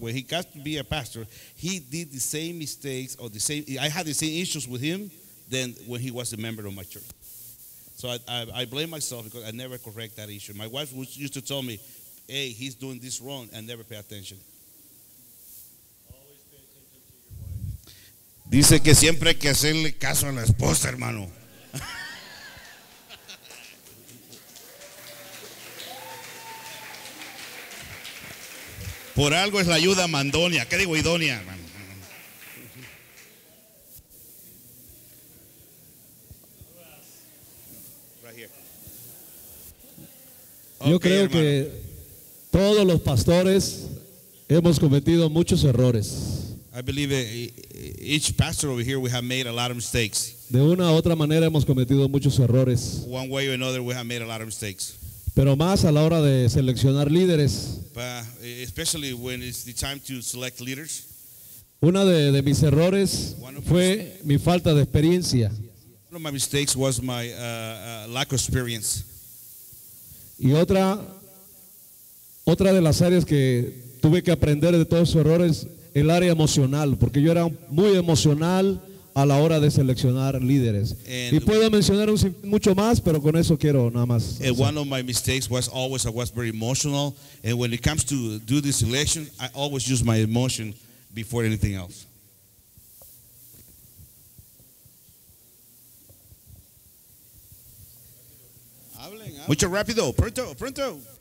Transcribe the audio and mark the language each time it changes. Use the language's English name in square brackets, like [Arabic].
[English] When he got to be a pastor, he did the same mistakes or the same. I had the same issues with him than when he was a member of my church. So I blame myself because I never correct that issue. My wife used to tell me, "Hey, he's doing this wrong," and never pay attention. [Spanish] Dice que siempre hay que hacerle caso a la esposa, hermano. Por algo es la ayuda mandonia. ¿Qué digo idónea, hermano? Yo creo que todos los pastores hemos cometido muchos errores. [English] I believe each pastor over here, we have made a lot of mistakes. [Spanish] De una u otra manera hemos cometido muchos errores. [English] One way or another, we have made a lot of mistakes. [Spanish] Pero más a la hora de seleccionar líderes. [English] But especially when it's the time to select leaders. [Spanish] Una de mis errores fue mi falta de experiencia. [English] One of my mistakes was my lack of experience. [Spanish] Y otra de las áreas que tuve que aprender de todos esos errores, el área emocional, porque yo era muy emocional a la hora de seleccionar líderes. [English] And [Spanish] y puedo mencionar mucho más, pero con eso quiero nada más. [English] One of my mistakes was always I was very emotional, and when it comes to do this selection, I always use my emotion before anything else. [Spanish] Mucho rápido, pronto.